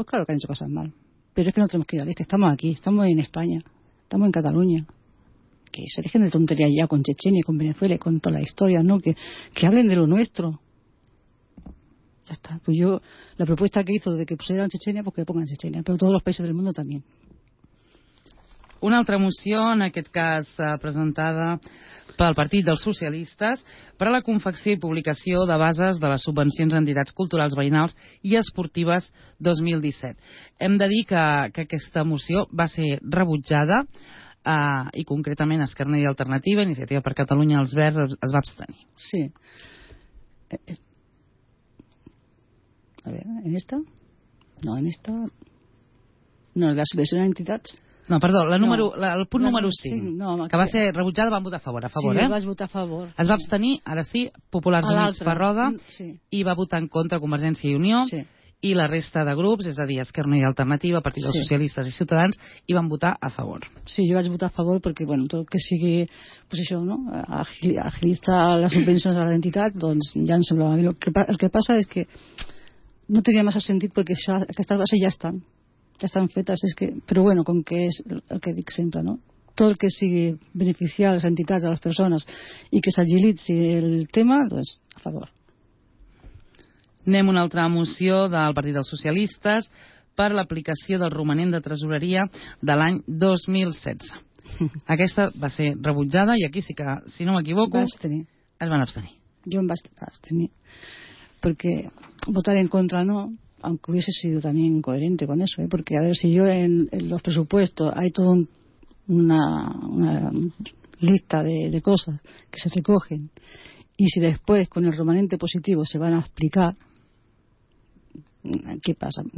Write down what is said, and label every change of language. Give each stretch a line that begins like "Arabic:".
Spanish: Pues claro que han hecho cosas mal, pero es que no tenemos que ir al este, estamos aquí, estamos en España, estamos en Cataluña. Que se dejen de tonterías ya con Chechenia, con Venezuela, con toda la historia, ¿no? Que hablen de lo nuestro. Ya está. Pues yo, la propuesta que hizo de que pusieran Chechenia, pues que pongan Chechenia, pero todos los países del mundo también.
Catalan: Una altra moció, en aquest cas presentada pel Partit dels Socialistes, per a la confecció i publicació de bases de les subvencions a entitats culturals veïnals i esportives 2017. Hem de dir que aquesta moció va ser rebutjada i concretament Esquerra Unida i Alternativa, Iniciativa per Catalunya Els Verds, es va abstenir. Sí. A veure, en esta? No, en esta... No, la subvenció a entitats... No, perdó, el punt número 5, que va ser rebutjada, van votar a favor. Vaig votar a favor. Es va abstenir, ara sí, Populars Units per Roda, sí. I va votar en contra Convergència i Unió, sí. I la resta de grups, és a dir, Esquerra Unida i Alternativa, Partit dels Socialistes i Ciutadans, i van votar a favor. Sí, jo vaig votar a favor perquè, bueno, tot que sigui, pues això, no?, agilitzar les subvencions a l'entitat, doncs ja em semblava bé. El que passa és que no tenia massa sentit perquè això, aquestes bases ja estan.
Spanish: Que están fetas, es que, pero bueno, con que es
Catalan: el que dic sempre,
Spanish: ¿no? Todo el que sigue beneficiar a las entidades, a las personas y que
Catalan: s'agilitzi el tema, doncs,
Spanish: a favor.
Catalan: Anem a una altra moció del Partit dels Socialistes per l'aplicació del romanent de tresoreria de l'any 2016. Aquesta va ser rebutjada i aquí sí que, si no m'equivoco, es van abstenir. Jo em vaig abstenir, perquè votar en contra no...
Spanish: aunque hubiese sido también coherente con eso, ¿eh? Porque a ver, si yo en los presupuestos hay toda una lista de cosas que se recogen y si después con el remanente positivo se van a explicar, ¿qué pasa?